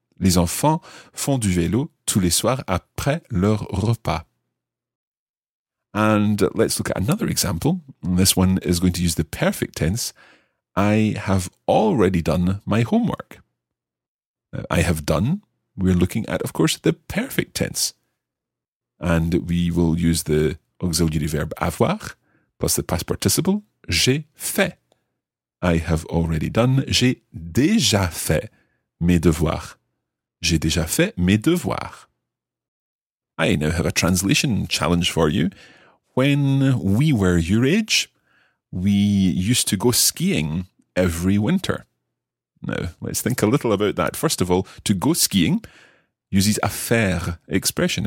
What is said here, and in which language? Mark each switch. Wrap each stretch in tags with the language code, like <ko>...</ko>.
<fr>Les enfants font du vélo tous les soirs après leur repas.</fr> <en>And let's look at another example. This one is going to use the perfect tense. I have already done my homework. I have done. We're looking at, of course, the perfect tense. And we will use the auxiliary verb avoir plus the past participle.</en> <fr>J'ai fait.</fr> <en>I have already done.</en> <fr>J'ai déjà fait mes devoirs. J'ai déjà fait mes devoirs.</fr> <en>I now have a translation challenge for you. When we were your age, we used to go skiing every winter. Now, let's think a little about that. First of all, to go skiing uses a faire expression.</en>